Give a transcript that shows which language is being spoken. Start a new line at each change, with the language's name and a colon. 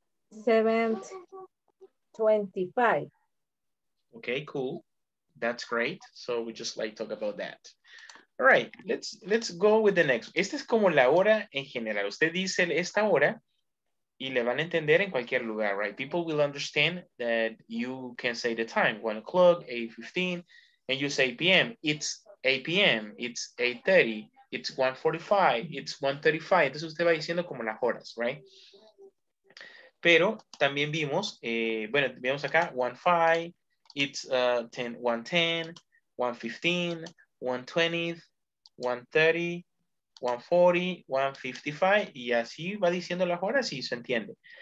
English: 7:25. Okay, cool. That's great. So we just like talk about that. All right, let's go with the next.
Spanish: Esta es como la hora en general. Usted dice esta hora y le van a entender en cualquier lugar, right?
English: People will understand that you can say the time, 1 o'clock, 8:15, and you say p.m. It's 8 p.m., it's 8:30, It's 1:45, it's 1:35.
Spanish: Entonces usted va diciendo como las horas, right? Pero también vimos, bueno, vemos acá 1:05, it's 10, 1:10, 1:15, 1:20, 1:30, 1:40, 1:55, y así va diciendo las horas y se entiende.